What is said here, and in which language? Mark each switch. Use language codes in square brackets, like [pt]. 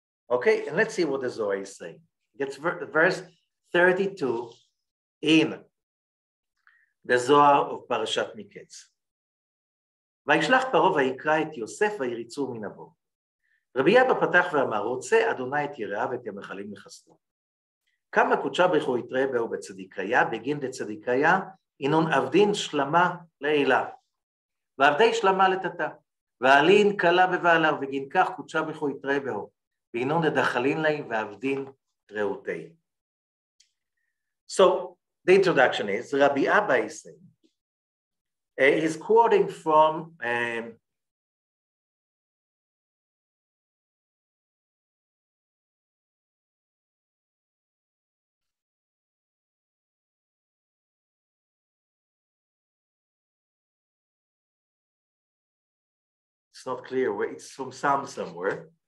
[en] Okay, and let's see what the Zohar is saying. It's verse 32 in the Zohar of Parashat Mikkets. [he] וישלח פרעה ויקרא את יוסף ויריצו מנבו. [arc] רבי אבא פתח ואמר, [he] רוצה אדוני את יראיו ואת ימחלים לחסדו. [arc] כמה קודשה ברוך הוא יתראה בהו בצדיקיה, בגין לצדיקיה, אינון עבדין שלמה לעילה, ועבדי שלמה לתתה, ועלין קלה בבעלה, וגין כך קודשה ברוך הוא יתראה בהו, ואינון לדחלין להי ועבדין ראותי. [en] So, the introduction is, רבי אבא is saying, he's quoting from it's not clear where it's from, Psalm somewhere.